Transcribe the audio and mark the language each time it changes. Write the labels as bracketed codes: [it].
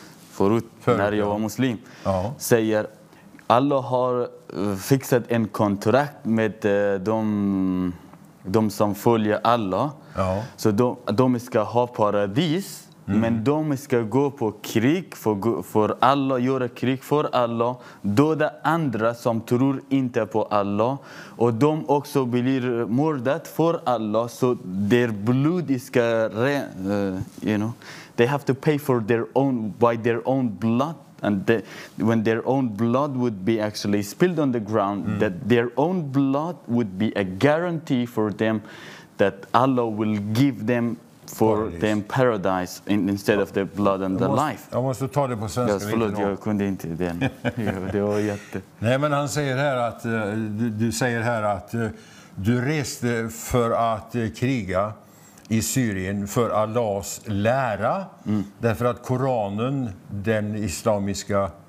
[sv] Förut, när jag var muslim, säger Allah har fixat en kontrakt med de som följer Allah. Ja. Så de ska ha paradis, men de ska gå på krig för Allah, göra krig för Allah. Döda andra som tror inte på Allah. Och de också blir mördade för Allah, så der blod ska [en] they have to pay for their own blood, and when their own blood would be actually spilled on the ground, that their own blood would be a guarantee for them that Allah will give them for paradise. Them paradise instead of the blood and the life. [sv] Jag måste ta det på svenska. Yes, förlåt, jag kunde inte den. Det var jätte. Nej, men han säger här att du säger här att du reste för att kriga. i Syrien för Allahs lära. Mm. Därför att Koranen, den islamiska